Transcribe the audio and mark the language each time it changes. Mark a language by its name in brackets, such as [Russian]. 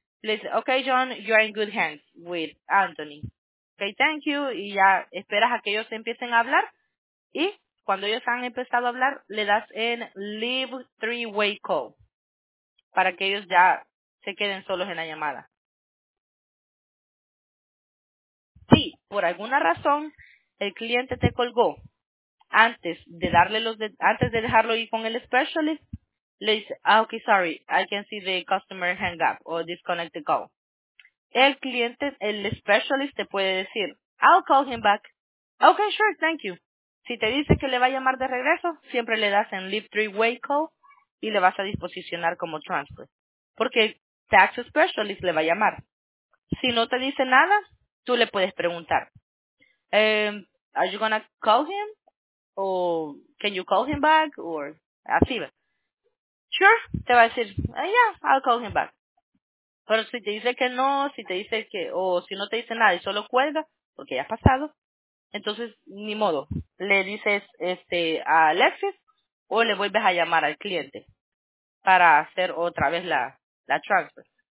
[English] Please, okay, John, you're in good hands with Anthony. Okay, thank you. [Spanish] Y ya esperas a que ellos empiecen a hablar. Y cuando ellos han empezado a hablar, le das en [English] leave three-way call. [Spanish] Para que ellos ya se queden solos en la llamada. Si por alguna razón el cliente te colgó antes de darle antes de dejarlo ir con el specialist, le dice, [English] ah, okay, sorry, I can see the customer hang up or disconnect the call. [Spanish] El specialist te puede decir, [English] I'll call him back. Okay, sure, thank you. [Spanish] Si te dice que le va a llamar de regreso, siempre le das en [English] leave three-way call. [Spanish] Y le vas a disposicionar como transfer. Porque Tax Specialist le va a llamar. Si no te dice nada, tú le puedes preguntar. [English] Are you gonna call him? O can you call him back? [Spanish] O así. [English] Sure, [Spanish] te va a decir, [English] yeah, I'll call him back. [Spanish] Pero si te dice que no, si te dice que, o si no te dice nada y solo cuelga, porque ya ha pasado, entonces, ni modo. Le dices a Alexis, o le vuelves a llamar al cliente para hacer otra vez la transfer.